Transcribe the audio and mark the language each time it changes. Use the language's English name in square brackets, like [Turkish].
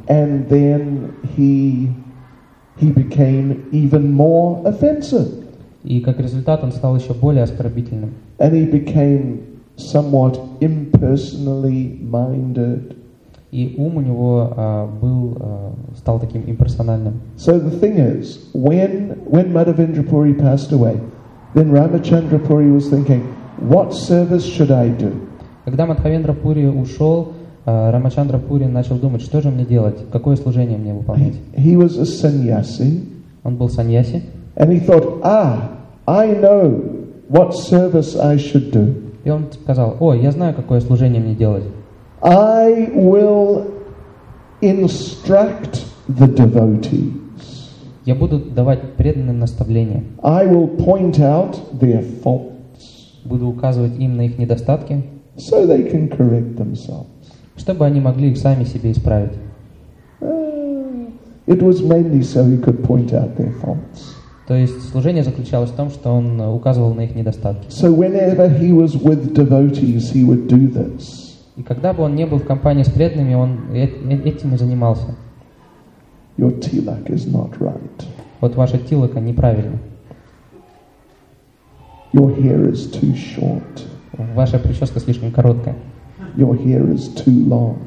[English] And then he became even more offensive. [Russian] И как результат он стал еще более оскорбительным. [English] And he became somewhat impersonally minded. [Russian] И ум у него стал таким имперсональным. [English] So the thing is, when Madhavendra Puri passed away, then Рамачандра Пури was thinking, what service should I do? [Russian] Когда Мадхавендра Пури ушел, Рамачандра Пури начал думать, что же мне делать, какое служение мне выполнять. [English] He was a sannyasi. [Russian] Он был саньяси. [English] And he thought, ah, I know what service I should do. [Russian] И он сказал, о, я знаю, какое служение мне делать. [English] I will instruct the devotees. [Russian] Я буду давать преданным наставления. [English] I will point out their faults. [Russian] Буду указывать им на их недостатки. [English] So they can correct themselves. [Russian] Чтобы они могли их сами себе исправить. [English] It was mainly so he could point out their faults. [Russian] То есть служение заключалось в том, что он указывал на их недостатки. [English] So whenever he was with devotees, he would do this. [Russian] И когда бы он не был в компании с преданными, он этим и занимался. [English] Your tilak is not right. [Russian] Вот ваша тилака неправильна. [English] Your hair is too short. [Russian] Ваша прическа слишком короткая. [English] Your hair is too long.